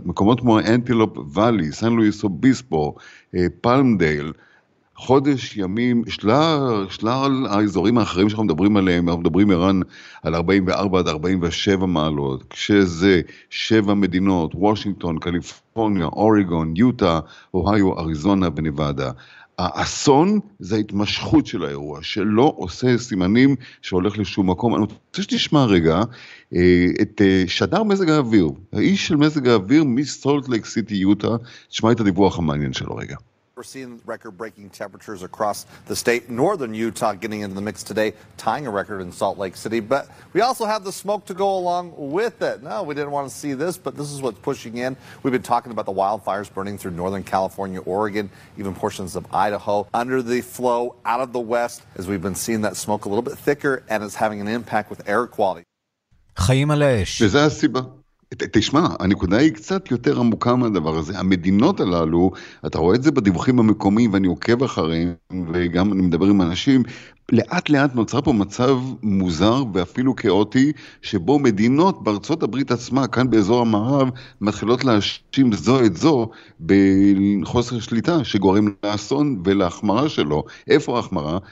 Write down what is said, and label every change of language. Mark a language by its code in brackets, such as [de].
[he] מקומות כמו אנטילופ ואלי, סן לואיס אוביספו, פלמדייל, חודש ימים, שלל האזורים האחרים שאנחנו מדברים עליהם, אנחנו מדברים איראן על 44 עד 47 מעלות, כשזה שבע מדינות, וושינגטון, קליפורניה, אוריגון, יוטה, אוהיו, אריזונה ונבדה. האסון זה ההתמשכות של האירוע, שלא עושה סימנים שהולך לשום מקום. אני רוצה שתשמע רגע את שדר מזג האוויר, האיש של מזג האוויר מסולט לייק סיטי יוטה, תשמע את הדיווח המעניין שלו רגע. [en] We're seeing record-breaking temperatures across the state. Northern Utah getting into the mix today, tying a record in Salt Lake City. But we also have the smoke to go along with it. No, we didn't want to see this, but this is what's pushing in. We've been talking about the wildfires burning through Northern California, Oregon, even portions of Idaho. Under the flow, out of the west, as we've been seeing that smoke a little bit thicker, and it's having an impact with air quality. [he] חיים על האש. וזה הסיבה. תשמע, הנקודה היא קצת יותר עמוקה מהדבר הזה. המדינות הללו, אתה רואה את זה בדיווחים המקומיים, ואני עוקב אחריהם, וגם אני מדבר עם אנשים, לאט לאט נוצר פה מצב מוזר ואפילו כאוטי, שבו מדינות בארצות הברית עצמה, כאן באזור המערב, מתחילות להשים זו את זו בחוסר שליטה שגורם לאסון ולהחמרה שלו. איפה ההחמרה?